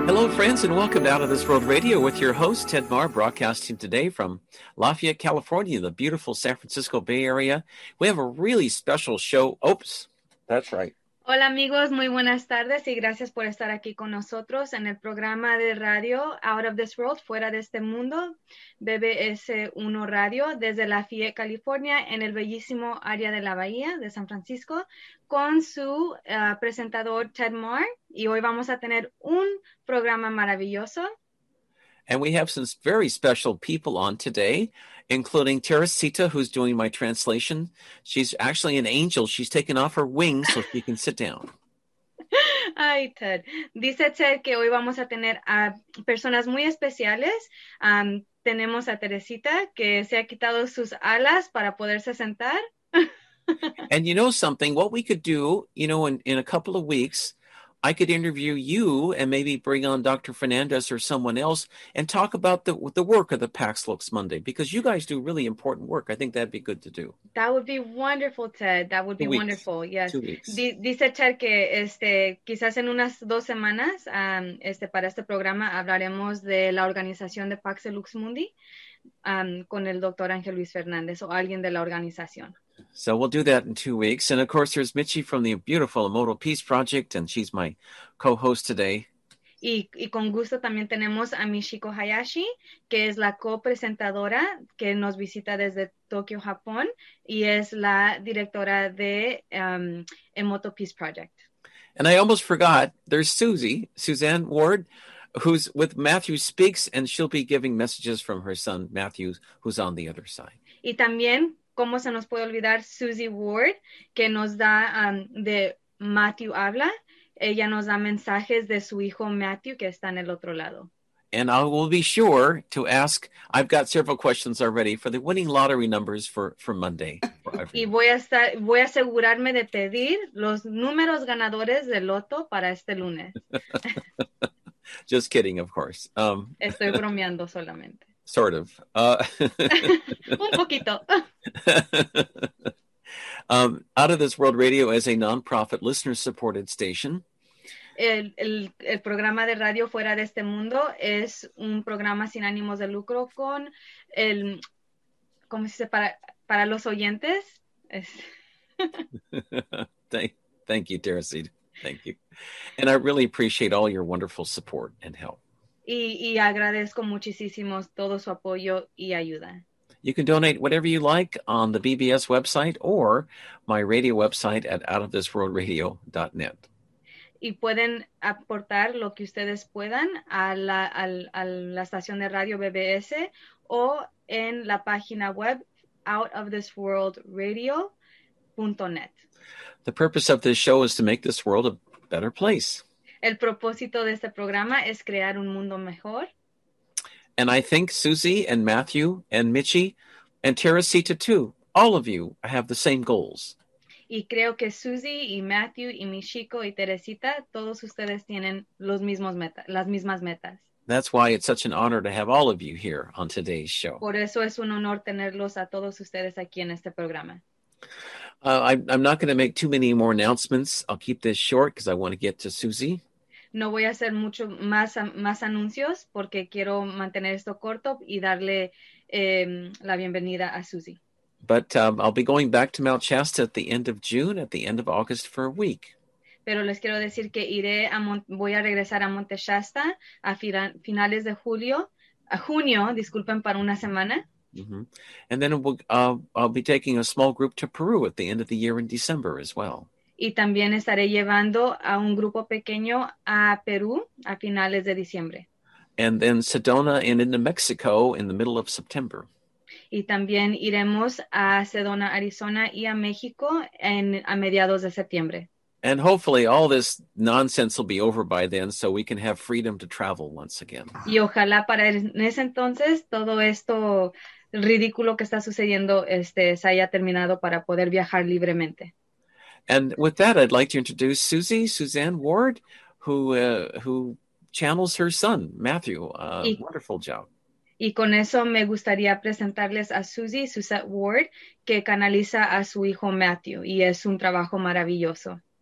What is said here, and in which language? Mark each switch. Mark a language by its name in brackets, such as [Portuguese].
[English] friends, and welcome to Out of This World Radio with your host, Ted Marr, broadcasting today from Lafayette, California, the beautiful San Francisco Bay Area. We have a really special show. Oops, that's right. [Spanish] Hola, amigos. Muy buenas tardes y gracias por estar aquí con nosotros en el programa de radio Out of This World, Fuera de Este Mundo, BBS1 Radio, desde Lafayette, California, en el bellísimo área de la Bahía de San Francisco, con su presentador Ted Marr. Y hoy vamos a tener un programa maravilloso. [English] And we have some very special people on today, including Teresita, who's doing my translation. She's actually an angel. She's taken off her wings so she can sit down. [Spanish] Ay, Ted. Dice Ted que hoy vamos a tener a personas muy especiales. Tenemos a Teresita, que se ha quitado sus alas para poderse sentar. [English] And you know something, what we could do, you know, in a couple of weeks, I could interview you and maybe bring on Dr. Fernandez or someone else and talk about the work of the Pax Lux Mundi, because you guys do really important work. I think that'd be good to do. That would be wonderful, Ted. That would be wonderful. Yes. 2 weeks. [Spanish] Dice Ted que quizás en unas dos semanas para este programa hablaremos de la organización de Pax Lux Mundi con el Dr. Ángel Luis Fernández o alguien de la organización. [English] So we'll do that in 2 weeks. And of course, there's Michi from the beautiful Immortal Peace Project, and she's my co-host today. [Spanish] Y con gusto también tenemos a Michiko Hayashi, que es la co-presentadora que nos visita desde Tokio, Japón, y es la directora de Immortal Peace Project. [English] And I almost forgot, there's Suzanne Ward, who's with Matthew Speaks, and she'll be giving messages from her son, Matthew, who's on the other side. [Spanish] Y también, ¿cómo se nos puede olvidar Suzy Ward, que nos da de Matthew Habla? Ella nos da mensajes de su hijo Matthew, que está en el otro lado. [English] And I will be sure to ask, I've got several questions already for the winning lottery numbers for Monday. [Spanish] Y voy a asegurarme de pedir los números ganadores del loto para este lunes. [English] Just kidding, of course. [Spanish] Estoy bromeando solamente. [English] Sort of. [Spanish] un poquito. [English] Out of This World Radio is a non-profit listener-supported station. [Spanish] El programa de radio Fuera de Este Mundo es un programa sin ánimos de lucro con el, ¿cómo se dice? Para los oyentes. [English] thank you, Teresita. Thank you. And I really appreciate all your wonderful support and help. [Spanish] Y agradezco muchísimo todo su apoyo y ayuda. [English] You can donate whatever you like on the BBS website or my radio website at outofthisworldradio.net. [Spanish] Y pueden aportar lo que ustedes puedan a la estación de radio BBS o en la página web outofthisworldradio.net. [English] The purpose of this show is to make this world a better place. [Spanish] El propósito de este programa es crear un mundo mejor. [English] And I think Susie and Matthew and Michi and Teresita too, all of you have the same goals. [Spanish] Y creo que Susie y Matthew y Michiko y Teresita, todos ustedes tienen los mismos las mismas metas. [English] That's why it's such an honor to have all of you here on today's show. [Spanish] Por eso es un honor tenerlos a todos ustedes aquí en este programa. [English] I'm not going to make too many more announcements. I'll keep this short because I want to get to Susie. [Spanish] No voy a hacer mucho más anuncios porque quiero mantener esto corto y darle la bienvenida a Susie. [English] But I'll be going back to Mount Shasta at the end of June, at the end of August for a week. [Spanish] Pero les quiero decir que voy a regresar a Monte Shasta a finales de junio, para una semana. Mm-hmm. [English] And then I'll be taking a small group to Peru at the end of the year in December as well. [Spanish] Y también estaré llevando a un grupo pequeño a Perú a finales de diciembre. [English] And then Sedona and into Mexico in the middle of September. [Spanish] Y también iremos a Sedona, Arizona y a México a mediados de septiembre. [English] And hopefully all this nonsense will be over by then so we can have freedom to travel once again. [Spanish] Y ojalá para ese entonces todo esto ridículo que está sucediendo se haya terminado para poder viajar libremente. [English] And with that, I'd like to introduce Suzanne Ward, who channels her son, Matthew. Wonderful job. [Spanish] Y con eso me gustaría presentarles a Suzette Ward, que canaliza a su hijo Matthew, y es un trabajo maravilloso.